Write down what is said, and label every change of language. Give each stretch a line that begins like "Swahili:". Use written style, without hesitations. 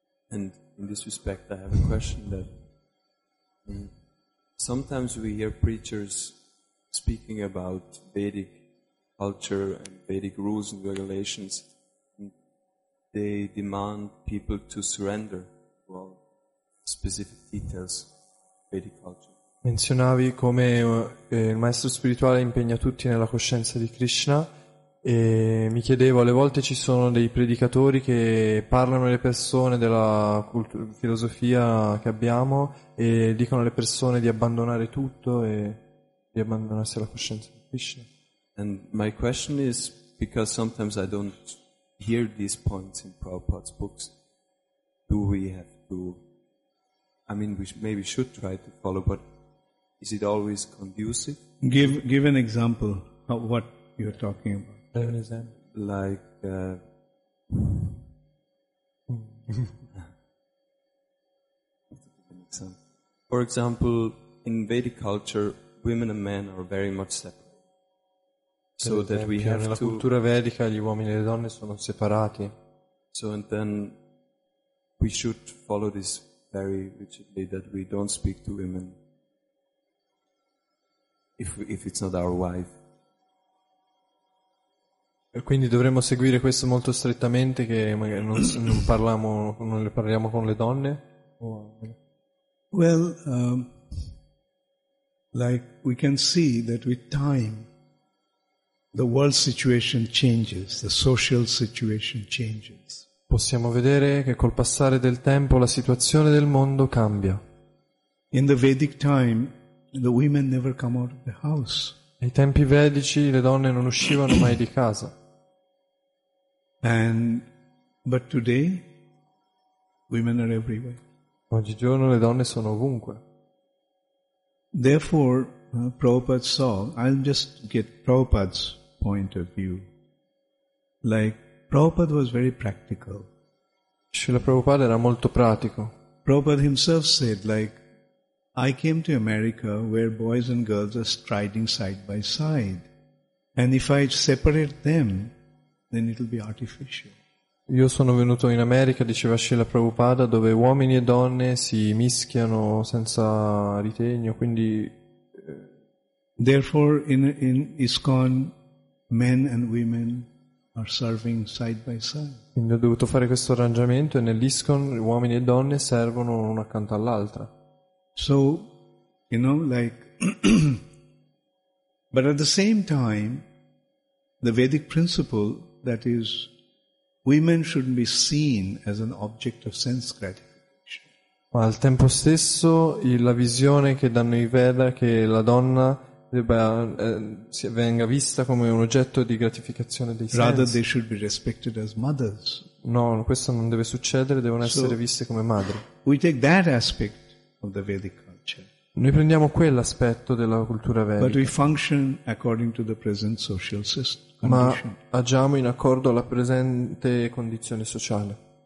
English: And in this respect, I have a question that sometimes we hear preachers speaking about Vedic culture and Vedic rules and regulations. And they demand people to surrender to all specific details of Vedic culture.
Italian: Menzionavi come il maestro spirituale impegna tutti nella coscienza di Krishna e mi chiedevo, alle volte ci sono dei predicatori che parlano alle persone della filosofia che abbiamo e dicono alle persone di abbandonare tutto e di abbandonarsi alla coscienza di Krishna.
English: And my question is, because sometimes I don't hear these points in Prabhupada's books, do we have to, I mean, maybe should try to follow, but is it always conducive? Give an example of what you're talking about. Like, for example, in Vedic culture, women and men are very much separate. So that we have to.
Italian: Nella cultura vedica, gli uomini e le donne sono separati.
English: So and then we should follow this very rigidly that we don't speak to women. If it's not our wife.
Italian: E quindi dovremmo seguire questo molto strettamente che magari non parliamo con le donne.
English: Well, like we can see that with time the world situation changes, the social situation changes.
Italian: Possiamo vedere che col passare del tempo la situazione del mondo cambia.
English: In the Vedic time the women never come out of the house.
Italian: Ai tempi vedici le donne non uscivano mai di casa.
English: And but today women are everywhere.
Italian: Oggigiorno le donne sono ovunque.
English: Therefore Prabhupada saw, I'll just get Prabhupada's point of view. Like Prabhupada was very practical.
Italian: Srila Prabhupada era molto pratico.
English: Prabhupada himself said, like, I came to America where boys and girls are striding side by side, and if I separate them, then it'll be artificial.
Italian: Io sono venuto in America, diceva Srila Prabhupada, dove uomini e donne si mischiano senza ritegno, quindi.
English: Therefore, in ISKCON, men and women are serving side by side.
Italian: Quindi ho dovuto fare questo arrangiamento e nell'ISKCON uomini e donne servono una accanto all'altra.
English: So, you know, like, but at the same time, the Vedic principle, that is, women shouldn't be seen as an object of sense gratification.
Italian: Ma al tempo stesso la visione che danno i Veda che la donna debba, venga vista come un oggetto di gratificazione dei sensi.
English: Rather they should be respected as mothers.
Italian: No, questo non deve succedere, devono essere viste come madri.
English: We take that aspect of the Vedic culture.
Italian: Noi prendiamo quell'aspetto della cultura vedica.
English: But we function according to the present social system.
Italian: Ma agiamo in accordo alla presente condizione sociale.